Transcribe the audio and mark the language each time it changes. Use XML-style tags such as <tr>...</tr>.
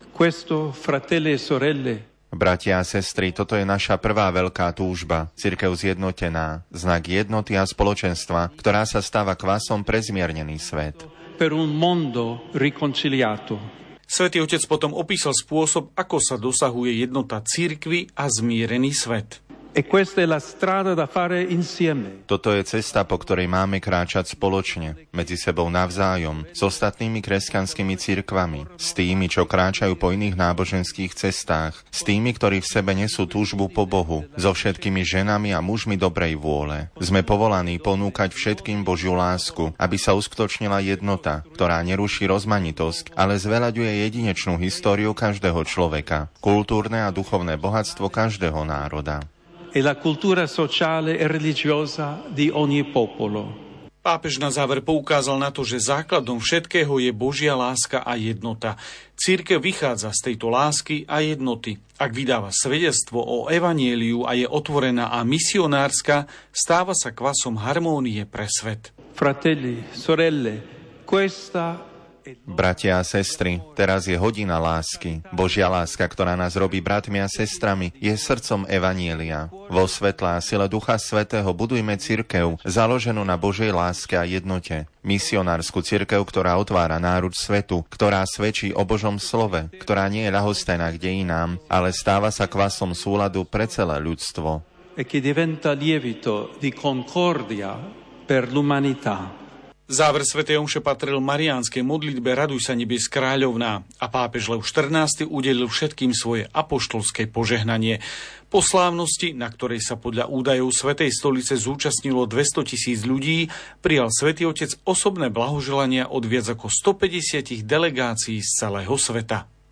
<it>Questo, fratelli e sorelle,</it> <sk>bratia a sestry, toto je naša prvá veľká túžba, cirkev zjednotená, znak jednoty a spoločenstva, ktorá sa stáva kvasom pre zmiernený svet.</sk> <it>Per un mondo riconciliato.</it> <sk>Svätý Otec potom opísal spôsob, ako sa dosahuje jednota cirkvi a zmierený svet.</sk> <it>E questa è la strada da fare insieme.</it> <sk>Toto je cesta, po ktorej máme kráčať spoločne, medzi sebou navzájom, s ostatnými kresťanskými cirkvami, s tými, čo kráčajú po iných náboženských cestách, s tými, ktorí v sebe nesú túžbu po Bohu, so všetkými ženami a mužmi dobrej vôle. Sme povolaní ponúkať všetkým Božiu lásku, aby sa uskutočnila jednota, ktorá neruší rozmanitosť, ale zveľaďuje jedinečnú históriu každého človeka, kultúrne a duchovné bohatstvo každého národa.</sk> <it>E la cultura sociale e religiosa di ogni popolo.</it> <sk>Pápež na záver poukázal na to, že základom všetkého je Božia láska a jednota. Cirkev vychádza z tejto lásky a jednoty. Ak vydáva svedectvo o evanjeliu a je otvorená a misionárska, stáva sa kvasom harmónie pre svet.</sk> <it>Fratelli, sorelle, questa...</it> <sk>Bratia a sestry, teraz je hodina lásky. Božia láska, ktorá nás robí bratmi a sestrami, je srdcom evanjelia. Vo svetle a sile Ducha Svätého budujme cirkev, založenú na Božej láske a jednote. Misionársku cirkev, ktorá otvára náruč svetu, ktorá svedčí o Božom slove, ktorá nie je ľahostajná k dejinám, ale stáva sa kvasom súladu pre celé ľudstvo.</sk> <it>E che diventa lievito di concordia per l'umanità.</it> <sk>Záver svätej omše patril mariánskej modlitbe Raduj sa, nebies kráľovná, a pápež Leo XIV udelil všetkým svoje apoštolské požehnanie. Po slávnosti, na ktorej sa podľa údajov Svätej stolice zúčastnilo 200 000 ľudí, prijal Svätý Otec osobné blahoželania od viac ako 150 delegácií z celého sveta.</sk>